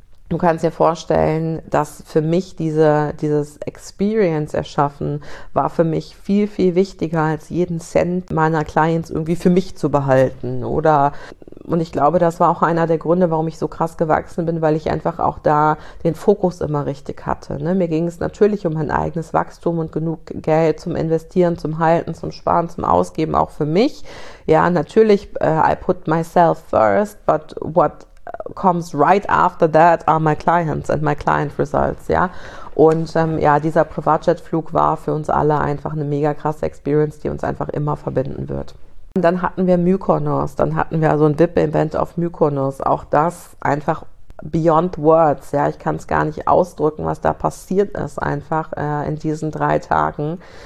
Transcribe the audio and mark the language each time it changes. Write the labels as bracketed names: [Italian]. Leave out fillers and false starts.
[German] Du kannst dir vorstellen, dass für mich dieses Experience erschaffen war für mich viel, viel wichtiger als jeden Cent meiner Clients irgendwie für mich zu behalten, oder? Und ich glaube, das war auch einer der Gründe, warum ich so krass gewachsen bin, weil ich einfach auch da den Fokus immer richtig hatte, ne? Mir ging es natürlich um mein eigenes Wachstum und genug Geld zum Investieren, zum Halten, zum Sparen, zum Ausgeben, auch für mich. Ja, natürlich, [English] I put myself first, but what comes right after that are my clients and my client results, ja. [German] Und ja, dieser Privatjetflug war für uns alle einfach eine mega krasse Experience, die uns einfach immer verbinden wird. Und dann hatten wir Mykonos, dann hatten wir also ein VIP-Event auf Mykonos, auch das einfach [English] beyond words, [German] ja, ich kann es gar nicht ausdrücken, was da passiert ist einfach in diesen 3 Tagen.